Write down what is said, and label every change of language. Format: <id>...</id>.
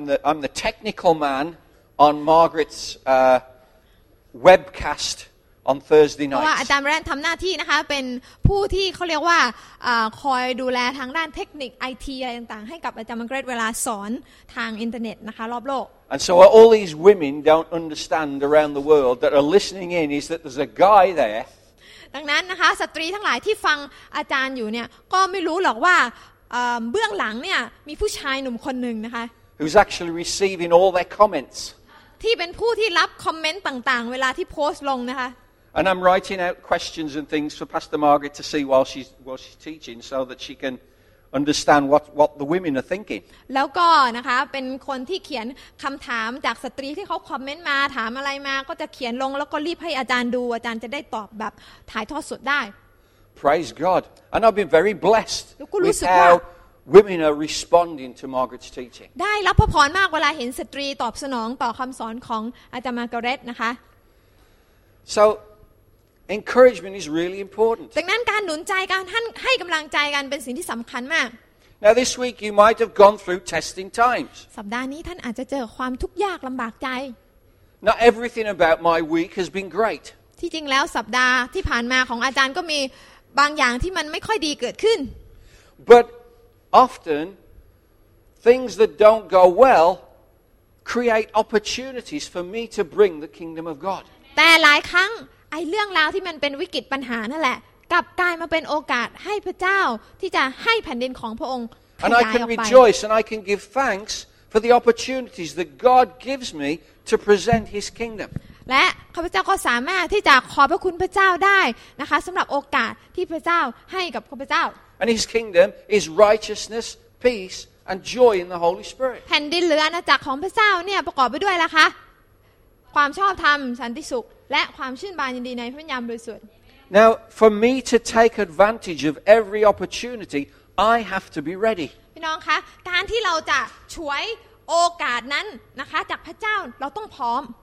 <en>I'm the technical man on Margaret's webcast on Thursday night</en> <th>ว่าอาจารย์แรนทำหน้าที่นะคะเป็นผู้ที่เขาเรียกว่าคอยดูแลทางด้านเทคนิค IT อะไรต่างๆให้กับอาจารย์มังเกรดเวลาสอนทางอินเทอร์เน็ตนะคะรอบโลก</th> <en>And so what all these women don't understand around the world that are listening in is that there's a guy there</en> <th>ดังนั้นนะคะสตรีทั้งหลายที่ฟังอาจารย์อยู่เนี่ยก็ไม่รู้หรอกว่าเบื้องหลังเนี่ยมีผู้ชายหนุ่มคนนึงนะคะ</th> <en>who's actually receiving all their comments</en> <th>ที่เป็นผู้ที่รับคอมเมนต์ต่างๆเวลาที่โพสต์ลงนะคะ</th> <en>And I'm writing out questions and things for Pastor Margaret to see while she's teaching, so that she can understand what the women are thinking.</en> <th>แล้วก็นะคะเป็นคนที่เขียนคำถามจากสตรีที่เขาคอมเมนต์มาถามอะไรมาก็จะเขียนลงแล้วก็รีบให้อาจารย์ดูอาจารย์จะได้ตอบแบบถ่ายทอดสดได้</th> <en>Praise God, and I've been very blessed with how women are responding to Margaret's teaching.</en> <th>ได้รับพระพรมากเวลาเห็นสตรีตอบสนองต่อคำสอนของอาจารย์มาการ์เร็ตนะคะ</th> <en>So. Encouragement is really important.</en> <th>ดังนั้นการหนุนใจการให้กำลังใจกันเป็นสิ่งที่สำคัญมาก</th> <en>Now this week you might have gone through testing times.</en> <th>สัปดาห์นี้ท่านอาจจะเจอความทุกข์ยากลำบากใจ</th> <en>Not everything about my week has been great.</en> <th>ที่จริงแล้วสัปดาห์ที่ผ่านมาของอาจารย์ก็มีบางอย่างที่มันไม่ค่อยดีเกิดขึ้น</th> <en>But often things that don't go well create opportunities for me to bring the kingdom of God.</en> <th>แต่หลายครั้งไอ้เรื่องราวที่มันเป็นวิกฤตปัญหานั่นแหละกลับกลายมาเป็นโอกาสให้พระเจ้าที่จะให้แผ่นดินของพระองค์ขยายออกไป</th> <en>And I can rejoice and I can give thanks for the opportunities that God gives me to present his kingdom</en> <th>และข้าพเจ้าก็สามารถที่จะขอบพระคุณพระเจ้าได้นะคะสำหรับโอกาสที่พระเจ้าให้กับข้าพเจ้า</th> <en>And his kingdom is righteousness peace and joy in the Holy Spirit</en> <th>แผ่นดินหรืออาณาจักรของพระเจ้าเนี่ยประกอบไปด้วยล่ะคะความชอบธรรมสันติสุขและความชื่นบานยินดีในพระวิญญาณบริสุทธิ์</th> <en>Now for me to take advantage of every opportunity I have to be ready</en> <th>พี่น้องคะการที่เราจะฉวยโอกาสนั้นนะคะจากพระเจ้าเราต้องพร้อม</th>